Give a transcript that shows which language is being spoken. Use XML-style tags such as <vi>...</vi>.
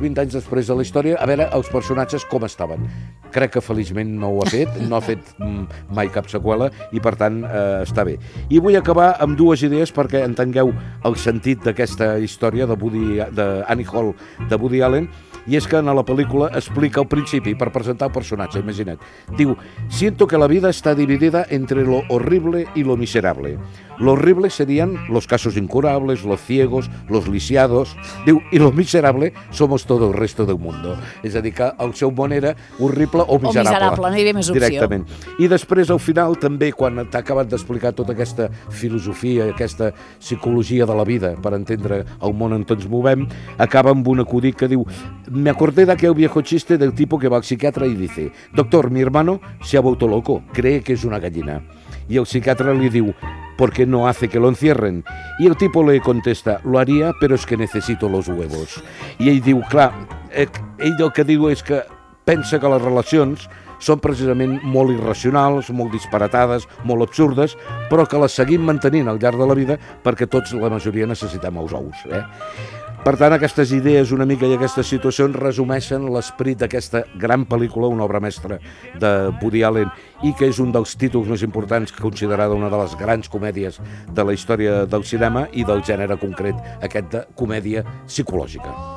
<ca>20 anys després de la història, a veure els personatges com estaven. Crec que feliçment no ho ha fet, no ha fet mai cap seqüela i per tant està bé. I vull acabar amb dues idees perquè entengueu el sentit d'aquesta història d'Annie Hall de Woody Allen. I és que en la pel·lícula explica al principi, per presentar el personatge, imagina't. Diu,</ca> <es>siento que la vida está dividida entre lo horrible y lo miserable. Lo horrible serían los casos incurables, los ciegos, los lisiados.</es> <ca>Diu,</ca> <es>y lo miserable somos todo el resto del mundo.</es> <ca>És a dir, que el seu món era horrible o miserable. O miserable, no hi havia més opció. Directament. I després, al final, també, quan t'ha acabat d'explicar tota aquesta filosofia, aquesta psicologia de la vida, per entendre el món en què ens movem, acaba amb un acudit que diu...</ca> <es>Me acordé de aquel viejo chiste del tipo que va al psiquiatra y dice, doctor, mi hermano se ha vuelto loco, cree que es una gallina. Y el psiquiatra le dijo, ¿por qué no hace que lo encierren? Y el tipo le contesta, lo haría, pero es que necesito los huevos. Y él dijo, claro, él lo que dijo es que</es> <ca>pensa</ca> <es>que las relaciones son precisamente muy irracionales, muy disparatadas, muy absurdas, pero que las seguimos manteniendo</es> <ca>al llarg de la vida</ca> <es>porque todos, la mayoría, necesitamos los</es> <ca>ous,</ca> <es>¿eh?</es> <ca>Per tant, aquestes idees una mica i aquestes situacions resumeixen l'esperit d'aquesta gran pel·lícula, una obra mestra de Woody Allen, i que és un dels títols més importants, considerada una de les grans comèdies de la història del cinema i del gènere concret, aquest de comèdia psicològica.</ca>